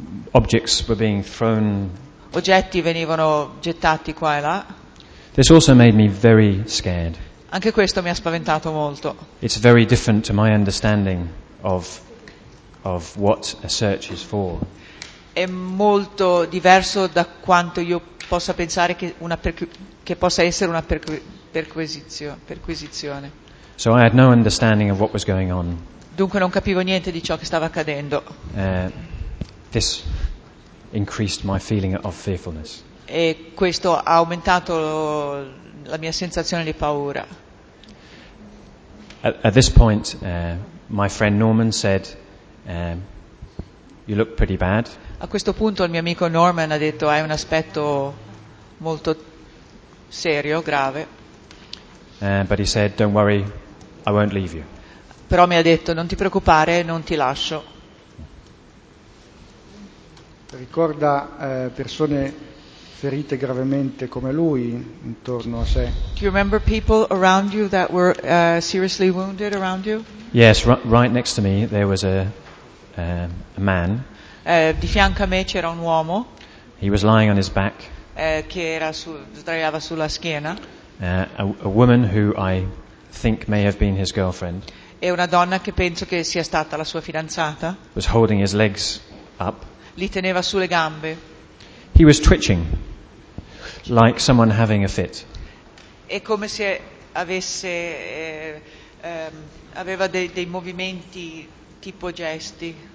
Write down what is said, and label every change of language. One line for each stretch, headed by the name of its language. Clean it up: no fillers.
English: Objects were being thrown.
Italian: Oggetti venivano gettati qua e là.
English: This also made me very scared.
Italian: Anche questo mi ha spaventato molto.
English: It's very different to my understanding of what a search is for.
Italian: È molto diverso da quanto io possa pensare che possa essere una perquisizione.
English: So I had no understanding of what was going on.
Italian: Dunque non capivo niente di ciò che stava accadendo.
English: This increased my feeling of fearfulness.
Italian: E questo ha aumentato la mia sensazione di paura.
English: At this point, my friend Norman said, "You look pretty bad."
Italian: A questo punto il mio amico Norman ha detto, "Hai un aspetto molto serio, grave."
English: But he said, "Don't worry. I won't leave you."
Italian: Però mi ha detto, non ti preoccupare, non ti lascio. Ricorda persone ferite gravemente come lui intorno a sé?
English: Do you remember people around you that were seriously wounded around you? Yes, right next to me there was a man.
Italian: Di fianco a me c'era un uomo.
English: He was lying on his back.
Italian: Che era sdraiava sulla schiena.
English: A woman who I think may have been his girlfriend.
Italian: E una donna che penso che sia stata la sua fidanzata.
English: Was holding his legs up.
Italian: Li teneva sulle gambe.
English: He was twitching, like someone having a fit.
Italian: È come se avesse aveva dei movimenti tipo gesti.